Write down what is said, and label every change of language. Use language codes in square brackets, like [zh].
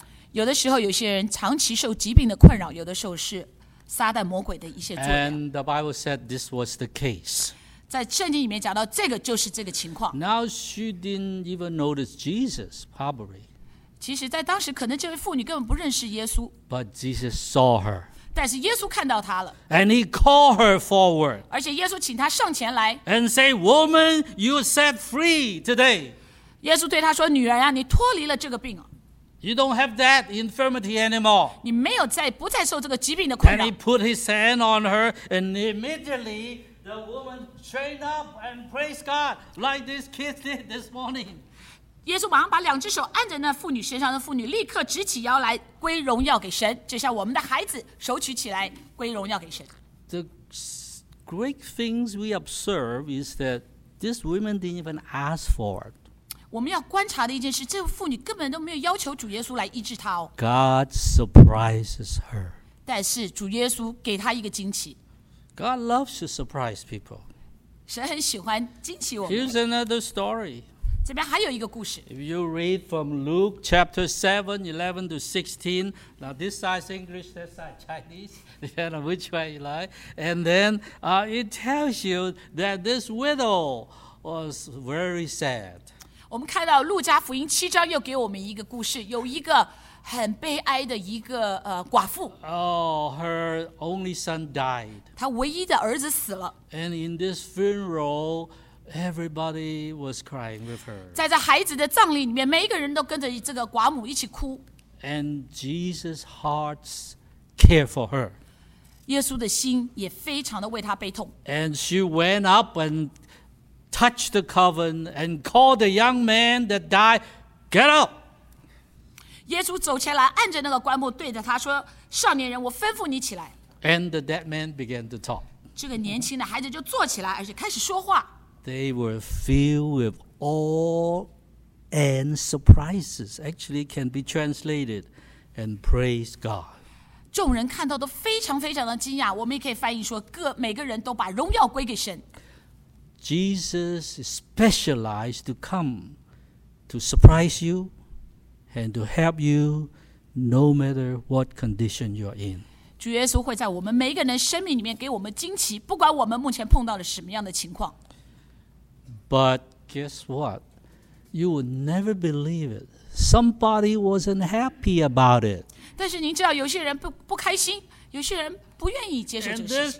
[zh] 有的时候有些人长期受疾病的困扰，有的时候是撒旦魔鬼的一些作用。 [en] And the Bible said this was the case. [zh] 在圣经里面讲到这个就是这个情况。 [en] Now, she didn't even notice Jesus, probably. [zh] 其实在当时可能这位妇女根本不认识耶稣。 [en] But Jesus saw her. [zh] 但是耶稣看到她了 [en] and he called her forward. [zh] 而且耶稣请她上前来 [en] and say, "Woman, you set free today." [zh] 耶稣对她说，女人啊，你脱离了这个病啊。 [en] You don't have that infirmity anymore. [zh] 你没有再不再受这个疾病的困扰。 [en] And he put his hand on her, and immediately the woman straightened up and praised God like this kid did this morning. [zh] 耶稣马上把两只手按在那妇女身上，那妇女立刻直起腰来归荣耀给神，就像我们的孩子手举起来归荣耀给神。 [en] The great things we observe is that this woman didn't even ask for it. [zh] 我们要观察的一件事，这妇女根本都没有要求主耶稣来医治她哦。 [en] God surprises her. [zh] 但是主耶稣给她一个惊奇。 [en] God loves to surprise people. [zh] 神很喜欢惊奇我们。 [en] Here's another story. [zh] 这边还有一个故事。 [en] If you read from Luke chapter 7, 11 to 16, now this side is English, this side Chinese, depending on which way you like. And then it tells you that this widow was very sad. [zh] 我们看到路加福音七章又给我们一个故事，有一个很悲哀的一个寡妇。 [en] Oh, her only son died. [zh] 她唯一的儿子死了。 [en] And in this funeral,Everybody was crying with her. [zh] 在这孩子的葬礼里面，每一个人都跟着这个寡母一起哭。 [en] And Jesus' heart cared for her. [zh] 耶稣的心也非常的为她悲痛。 [en] And she went up and touched the coffin and called the young man that died, "Get up!" [zh] 耶稣走前来，按着那个棺木，对着他说：“少年人，我吩咐你起来。 [en] ”And the dead man began to talk. [zh] 这个年轻的孩子就坐起来，而且开始说话。 [en] They were filled with awe and surprises. Actually, can be translated and praise God. [zh] 众人看到都非常非常的惊讶。我们也可以翻译说，每个人都把荣耀归给神。 [en] Jesus specialized to come to surprise you and to help you, no matter what condition you're in. [zh] 主耶稣会在我们每一个人生命里面给我们惊奇，不管我们目前碰到了什么样的情况。 [en] But guess what? You would never believe it. Somebody wasn't happy about it. [zh] 但是您知道，有些人不开心，有些人不愿意接受这个事情。